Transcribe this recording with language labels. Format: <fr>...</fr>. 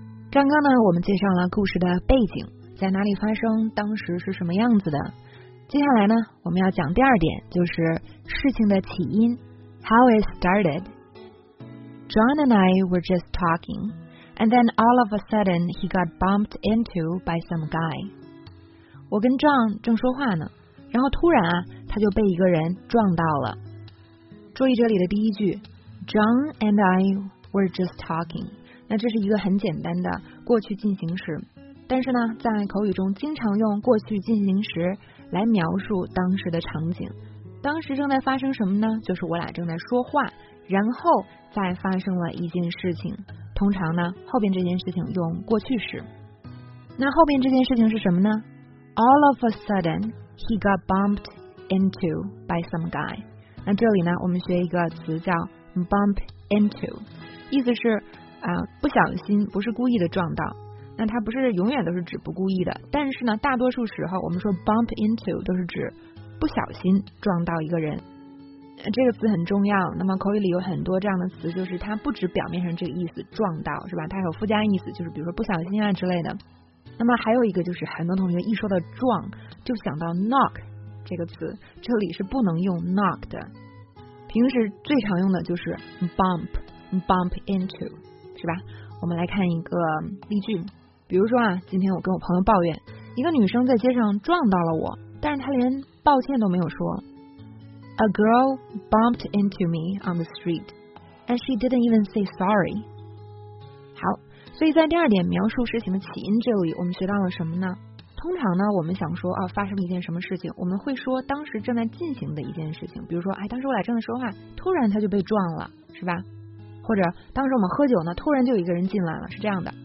<zh>刚刚呢，我们介绍了故事的背景，在哪里发生，当时是什么样子的。接下来呢，我们要讲第二点，就是事情的起因。</zh> <en>How it started. John and I were just talking, and then all of a sudden he got bumped into by some guy.</en> <zh>我跟 John 正说话呢，然后突然啊，他就被一个人撞到了。注意这里的第一句，</zh> <en>John and I were just talking。</en> <zh>那这是一个很简单的过去进行时，但是呢，在口语中经常用过去进行时来描述当时的场景。当时正在发生什么呢？就是我俩正在说话，然后再发生了一件事情。通常呢，后边这件事情用过去时。那后边这件事情是什么呢？</zh> <en>All of a sudden, he got bumped into by some guy.</en> <zh>那这里呢，我们学一个词叫 bump into， 意思是啊，不小心，不是故意的撞到。那它不是永远都是指不故意的，但是呢，大多数时候我们说 bump into 都是指不小心撞到一个人，这个词很重要。那么口语里有很多这样的词，就是它不止表面上这个意思，撞到是吧，它有附加意思，就是比如说不小心啊之类的。那么还有一个就是很多同学一说到撞就想到 knock 这个词，这里是不能用 knock 的，平时最常用的就是 bump into 是吧。我们来看一个例句，比如说啊，今天我跟我朋友抱怨，一个女生在街上撞到了我，但是她连抱歉都没有说。</zh> <en>A girl bumped into me on the street and she didn't even say sorry.</en> <zh>好，所以在第二点描述事情的起因这里，我们学到了什么呢？通常呢，我们想说啊，发生一件什么事情，我们会说当时正在进行的一件事情，比如说哎，当时我俩正在说话，突然他就被撞了是吧，或者当时我们喝酒呢，突然就有一个人进来了，是这样的。</zh>